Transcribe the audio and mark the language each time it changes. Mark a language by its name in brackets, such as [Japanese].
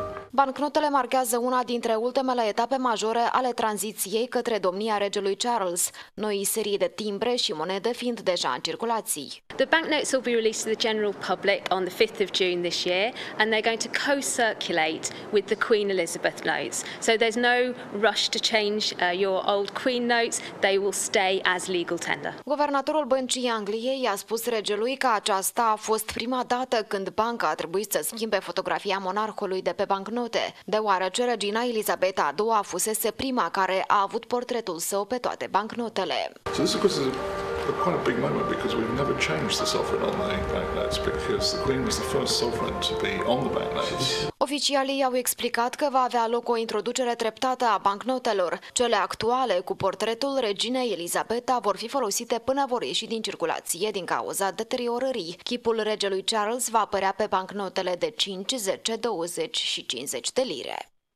[Romanian] Bancnotele marchează una dintre ultimele etape majore ale tranziției către domnia regelui Charles, noi serii de timbre și monede fiind deja în circulație. [English] The banknotes will be released to the general public on the 5th of June this year and they're going to co-circulate with the Queen Elizabeth notes. So there's no rush to change your old Queen notes, they will stay as legal tender. [Romanian] Guvernatorul Băncii Angliei a spus regelui că aceasta a fost prima dată când banca a trebuit să schimbe fotografia monarhului de pe bancnote. Note, deoarece regina Elisabeta II a fusese prima care a avut portretul său pe toate bancnotele. [English] So this is because it's a quite a big moment because we've never changed the sovereign on the banknotes because the Queen was the first sovereign to be on the banknotes. [Romanian] Oficialii au explicat că va avea loc o introducere treptată a bancnotelor. Cele actuale cu portretul reginei Elisabeta vor fi folosite până vor ieși din circulație din cauza deteriorării. Chipul regelui Charles va apărea pe bancnotele de 5, 10, 20 și 50 de lire.